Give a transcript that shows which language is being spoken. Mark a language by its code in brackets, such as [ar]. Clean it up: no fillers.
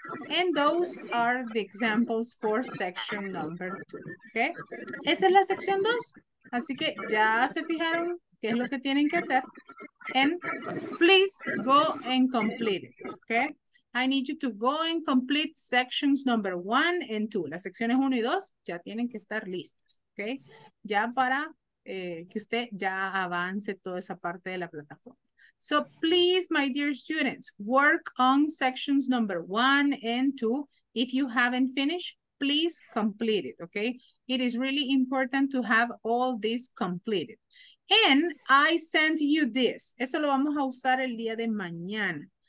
[en] And those are the examples for section number 2. [es] Okay? Esa es la sección 2. Así que ya se fijaron qué es lo que tienen que hacer. [en] And please go and complete it. Okay? I need you to go and complete sections number 1 and 2. [es] Las secciones 1 y 2 ya tienen que estar listas, ¿ok? Ya para que usted ya avance toda esa parte de la plataforma. [en] So please, my dear students, work on sections number 1 and 2. If you haven't finished, please complete it, ¿ok? It is really important to have all this completed. And I sent you this. [es] Eso lo vamos a usar el día de mañana.